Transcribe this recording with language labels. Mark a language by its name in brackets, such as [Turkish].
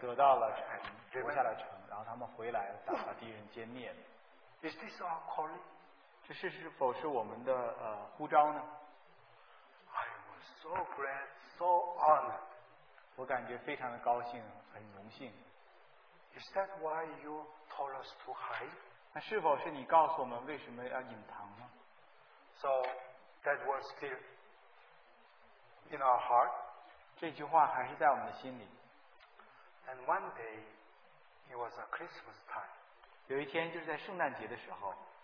[Chinese] 得到了城, 活下了城, 然后他们回来打了敌人歼灭了。 [English] Is this our calling? [Chinese] 这是否是我们的, 呼召呢? [English] I was so glad, so honored. [Chinese] 我感觉非常的高兴, 很荣幸。 [English] Is that why you told us to hide? [Chinese] 那是否是你告诉我们为什么要隐藏呢? [English] So that was still in our heart. [Chinese] 这句话还是在我们的心里。 [English] And one day, it was a Christmas time. [Chinese] 有一天就是在圣诞节的时候，